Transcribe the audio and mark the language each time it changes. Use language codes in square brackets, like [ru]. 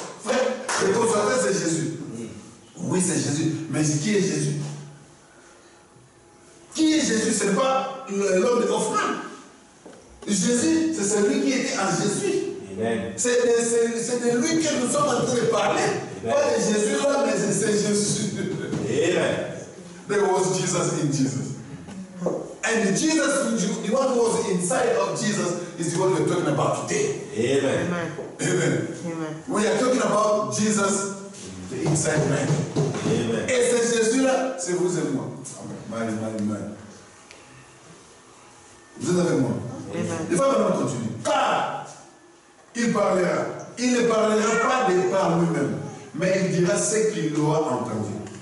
[fr] Frère, le consolateur, c'est Jésus. Oui, c'est Jésus. Mais qui est Jésus? Qui est Jésus? Ce n'est pas l'homme de Hoffman. Jésus, c'est celui qui était en Jésus. Amen. C'est de lui que nous sommes en train de parler. Amen. Pas de Jésus là, mais c'est Jésus. Amen. [en] There was Jesus in Jesus. And Jesus, the one who was inside of Jesus, is the one we're talking about today. Amen. Amen. Amen. Amen. We are talking about Jesus, the inside man. Amen. [fr] Et c'est Jésus là, c'est vous et moi. Amen, amen, amen. Vous êtes avec moi. Il va maintenant continuer. Car il parlera. Il ne parlera pas de par lui-même. Mais il dira ce qu'il aura entendu.